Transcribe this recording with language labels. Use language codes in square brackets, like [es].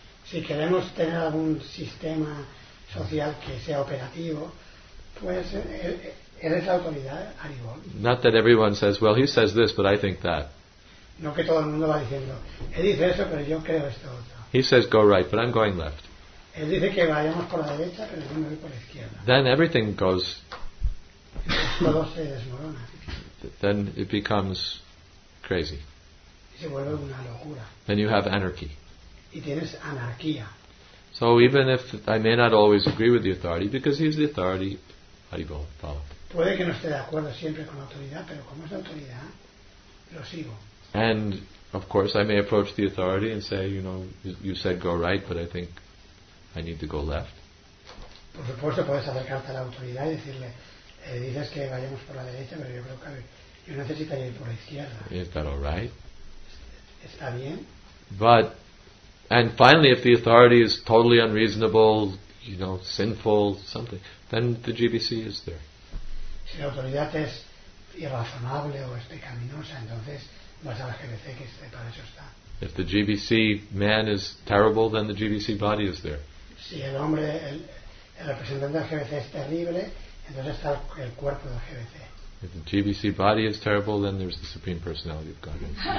[es] Si queremos tener algún sistema social que sea operativo, pues eres la autoridad, Haribol. [en] Not that everyone says, well, he says this, but I think that. [es] No que todo el mundo va diciendo, él dice eso, pero yo creo esto otro. [en] He says go right, but I'm going left. [es] Él dice que vayamos por la derecha, pero yo me voy por la izquierda. [en] Then everything goes. [es] Todo se desmorona. [en] Then it becomes crazy. [es] Y se vuelve una locura. [en] Then you have anarchy. [es] Y tienes anarquía. [en] So even if I may not always agree with the authority, because he's the authority, I will follow. [es] Puede que no esté de acuerdo siempre con la autoridad, pero como es la autoridad, lo sigo. [en] And of course I may approach the authority and say, you know, you said go right, but I think I need to go left. [es] Por supuesto puedes acercarte a la autoridad y decirle, dices que vayamos por la derecha, pero yo creo que yo necesitaría ir por la izquierda. [en] Is that all right? [es] Está bien. [en] But and finally, if the authority is totally unreasonable, you know, sinful, something, then the GBC is there. [es] Si la autoridad es irrazonable o es pecaminosa, entonces vas a la GBC, que para eso está. [en] If the GBC man is terrible, then the GBC body is there. [es] Si el hombre, el representante del GBC es terrible, entonces está el cuerpo del GBC. [en] If the GBC body is terrible, then there's the Supreme Personality of Godhead.